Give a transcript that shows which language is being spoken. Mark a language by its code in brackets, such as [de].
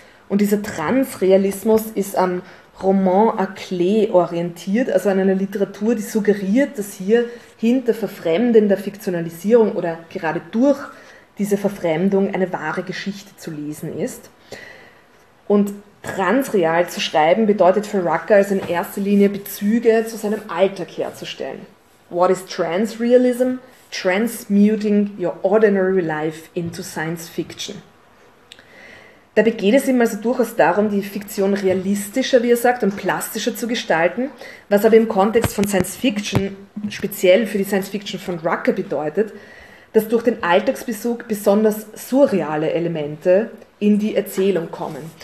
[de] Und dieser Transrealismus ist am Roman à clé orientiert, also an einer Literatur, die suggeriert, dass hier hinter verfremdender Fiktionalisierung oder gerade durch diese Verfremdung eine wahre Geschichte zu lesen ist. Und transreal zu schreiben bedeutet für Rucker also in erster Linie Bezüge zu seinem Alltag herzustellen. [en] What is transrealism? Transmuting your ordinary life into science fiction. [de] Dabei geht es ihm also durchaus darum, die Fiktion realistischer, wie er sagt, und plastischer zu gestalten, was aber im Kontext von Science Fiction, speziell für die Science Fiction von Rucker bedeutet, dass durch den Alltagsbezug besonders surreale Elemente in die Erzählung kommen.